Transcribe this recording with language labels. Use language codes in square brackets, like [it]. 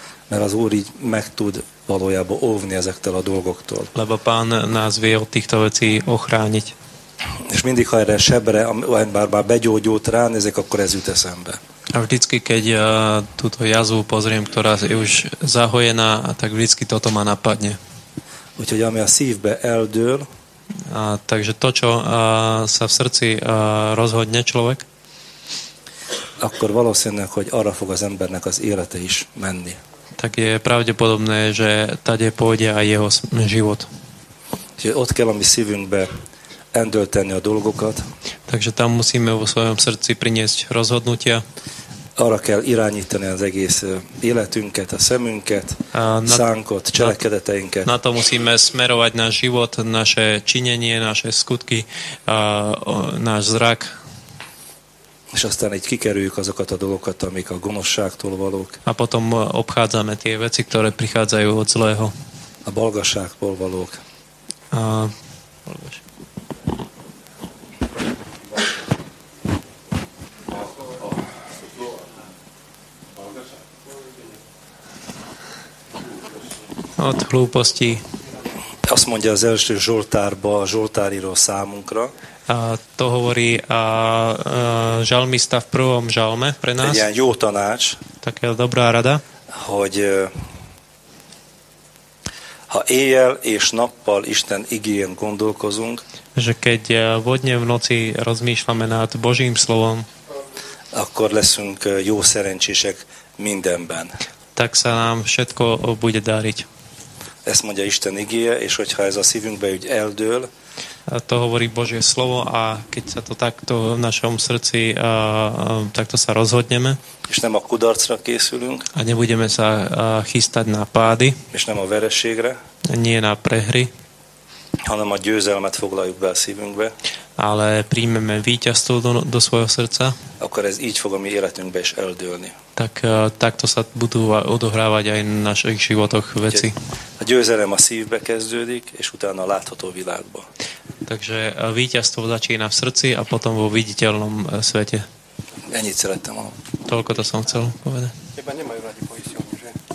[hu] Mert az Úr így meg tud valójában óvni ezektől a dolgoktól. [sk] Lebo Pán nás vie od týchto vecí ochrániť. [hu] És mindig, ha erre sebre, bár begyógyult, ránézek, akkor ez jut eszembe. [sk] A vždycky, keď ja túto jazvu pozriem, ktorá je už zahojená, tak vždycky toto ma napadne. [hu] Úgyhogy ami a szívbe eldől. [sk] Takže to, čo sa v srdci rozhodne človek, [hu] akkor valószínűleg, hogy arra fog az embernek az élete is menni. [sk] Tak je pravdepodobné, že tady pôjde aj jeho život. [hu] Že ott kell a mi szívünkbe endölteni a dolgokat. [sk] Takže tam musíme vo svojom srdci priniesť rozhodnutia. [hu] Arra kell irányítani az egész életünket, a szemünket, szánkot, cselekedeteinket. [sk] Na to musíme smerovať náš život, naše činenie, naše skutky, náš zrak. [hu] És aztán így kikerüljük azokat a dolgokat, amik a gonoszságtól valók. [sk] A potom obchádzame tie veci, ktoré prichádzajú od zlého. [hu] A balgasságtól valók. [sk] Od hlúposti. [hu] Azt mondja az első Zsoltárba, a Zsoltáriról számunkra. [sk] To hovorí žalmista v prvom žalme pre nás. [hu] Ilyen jó tanács. [sk] Také dobrá rada. [hu] Hogy ha éjjel és nappal Isten igéjén gondolkozunk, [sk] že keď vo dne v noci rozmýšľame nad Božím slovom, [hu] akkor leszünk jó szerencsések mindenben. [sk] Tak sa nám všetko bude dáriť. [hu] Ezt mondja Isten igéje, és hogyha ez a szívünkbe úgy eldől, [sk] to hovorí Božie slovo, a keď sa to takto v našom srdci takto sa rozhodneme, [hu] és nem a kudarcra készülünk, [sk] a nebudeme sa chystať na pády, [hu] és nem a vereségre, [sk] nie na prehry, [hu] hanem a győzelmet foglaljuk be a szívünkbe, [sk] ale príjmeme víťazstvo do svojho srdca, [hu] akkor ez így fog a mi életünkbe is eldőlni. [sk] Tak takto sa budú odohrávať aj v našich životoch veci. [hu] A győzelem a szívbe kezdődik, és utána látható világba. [sk] Takže víťazstvo začína v srdci a potom vo viditeľnom svete. [hu] Ennyit szerettem. [sk] Toľko to som chcel povedať. Teba nemajú radi poisťovne, že?